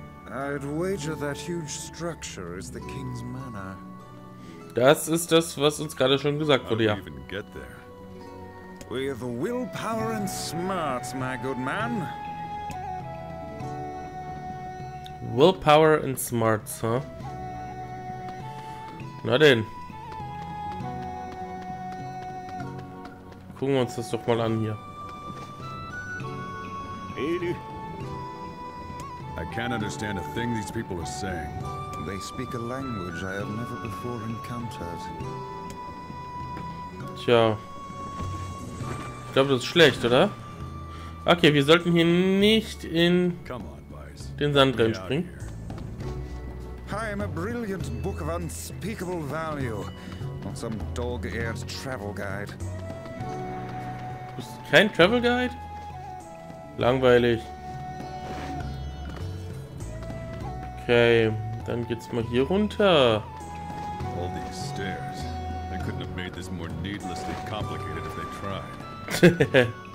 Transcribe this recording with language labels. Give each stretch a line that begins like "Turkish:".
English: I'd wager that huge structure is the King's Manor.
German: Das ist das, was uns gerade schon gesagt wurde, ja.
English: How did we even get there? With willpower and smarts, my good man. Willpower and smarts, huh?
German: Na denn. Gucken wir uns das doch mal an hier.
English: I can't understand a thing these people are saying. They speak a language I have never before encountered.
German: Tja. Ich glaube, das ist schlecht, oder? Okay, wir sollten hier nicht in den Sand reinspringen.
English: I am a brilliant book of unspeakable value, not some dog-eared travel guide.
German: Du bist kein Travel Guide? Langweilig. Okay, dann geht's mal hier runter.
English: All these stairs. They couldn't have made this more needlessly complicated if they tried.